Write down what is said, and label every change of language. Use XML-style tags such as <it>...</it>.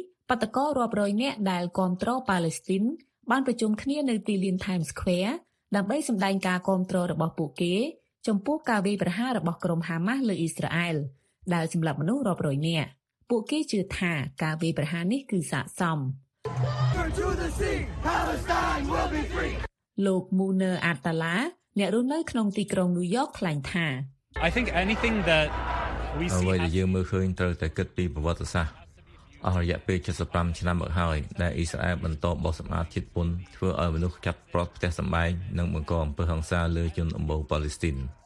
<km>បាតុកោរាប់រយនាក់ដែលគាំទ្រប៉ាឡេស្ទីនបានប្រជុំគ្នានៅទីលាន Times Square ដើម្បីសម្ដែងការគាំទ្ររបស់ពួកគេចំពោះការវាយប្រហាររបស់ក្រុមហាម៉ាស់លើអ៊ីស្រាអែលដែលសម្លាប់មនុស្សរាប់រយនាក់ពួកគេជឿថាការវាយប្រហារនេះគឺស័ក្តិសមលោកមូណឺអាតាឡាអ្នករស់នៅក្នុងទីក្រុងញូវយ៉កថ្លែងថា</km> <en>I think anything that we see</en> <km>ហើយយើងមើលឃើញត្រូវតែគិតពីប្រវត្តិសាស្ត្ររយៈពេល75ឆ្នាំមកហើយដែលអ៊ីស្រាអែលបន្តបោះសម្អាតជាតិពុនធ្វើឲ្យមនុស្សចាប់ប្រត់ផ្ទះសម្បែងនិងបង្កអំពើហិង្សាលើជនអំបូរប៉ាឡេស្ទីន</km>